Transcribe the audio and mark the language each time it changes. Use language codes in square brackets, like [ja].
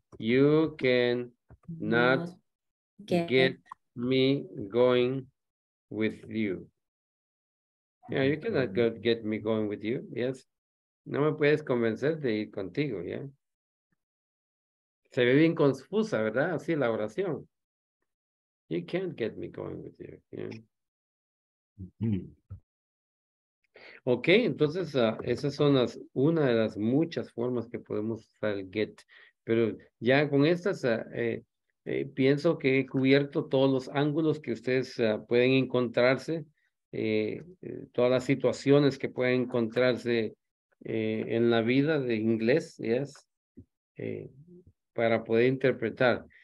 [en] You can not get me going with you. Yeah, you cannot go get me going with you. Yes. [es] No me puedes convencer de ir contigo, ¿ya? Yeah. Se ve bien confusa, ¿verdad? Así la oración. [en] You can't get me going with you, ¿ya? Yeah. [es] Ok, entonces esas son una de las muchas formas que podemos usar el get. Pero ya con estas, pienso que he cubierto todos los ángulos que ustedes pueden encontrarse, todas las situaciones que pueden encontrarse en la vida de inglés, yes, para poder interpretar.